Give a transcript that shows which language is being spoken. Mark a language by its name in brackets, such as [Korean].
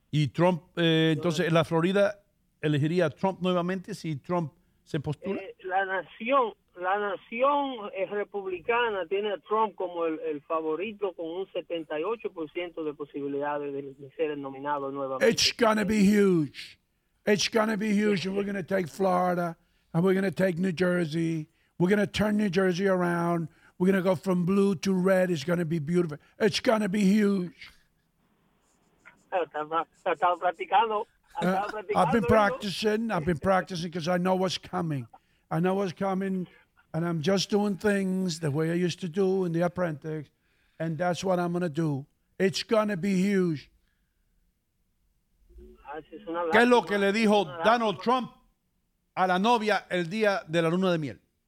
[Spanish] ¿Y Trump, entonces, la Florida elegiría a Trump nuevamente si Trump se postula? La nación republicana tiene a Trump como el favorito con un 78% de posibilidades de ser nominado nuevamente. [English] It's going to be huge. It's going to be huge. We're going to take Florida and we're going to take New Jersey. We're going to turn New Jersey around. We're going to go from blue to red. It's going to be beautiful. It's going to be huge. I've been practicing because I know what's coming. I know what's coming, and I'm just doing things the way I used to do in The Apprentice, and that's what I'm going to do. It's going to be huge. [Spanish] ¿Qué es lo que le dijo Donald Trump a la novia el día de la luna de miel?